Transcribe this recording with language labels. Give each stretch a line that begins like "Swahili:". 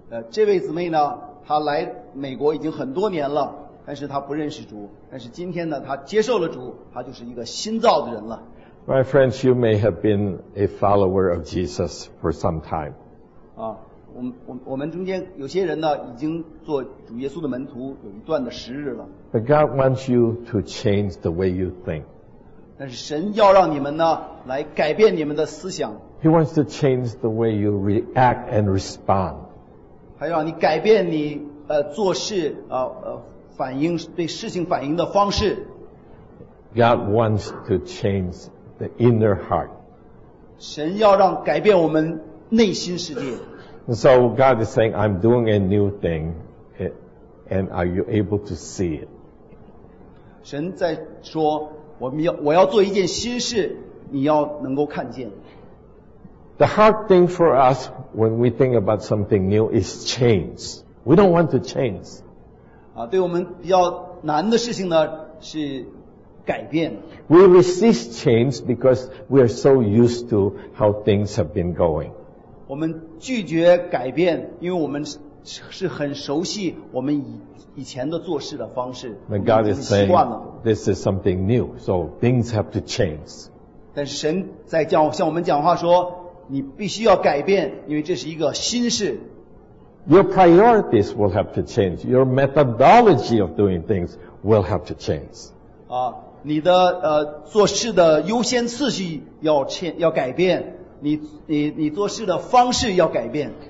Chinese: 这位姊妹呢，她来美国已经很多年了，但是她不认识主，但是今天呢，她接受了主，她就是一个新造的人了。
English: My friends, you may have been a follower of Jesus for some time. 啊。
Chinese: 我们中间有些人呢，已经做主耶稣的门徒有一段的时日了。
English: But God wants you to change the way you think.
Chinese: 但是神要让你们呢，来改变你们的思想。
English: He wants to change the way you react and respond.
Chinese: 还要让你改变你做事反应对事情反应的方式。
English: God wants to change the inner heart.
Chinese: 神要让改变我们内心世界。
English: And so God is saying, I'm doing a new thing, and are you able to see it?
Chinese: 神在说，我要做一件新事，你要能够看见。
English: The hard thing for us when we think about something new is change. We don't want to change.
Chinese: 啊，对我们比较难的事情呢，是改变。
English: We resist change because we are so used to how things have been going.
Chinese: 我们拒绝改变，因为我们是很熟悉我们以前的做事的方式，我们已经习惯了。
English: This is something new, so things have to change.
Chinese: 但是神在向我们讲话说，你必须要改变，因为这是一个新事。
English: Your priorities will have to change. Your methodology of doing things will have to change. 啊，
Chinese: 你的做事的优先次序要改变，你做事的方式要改变。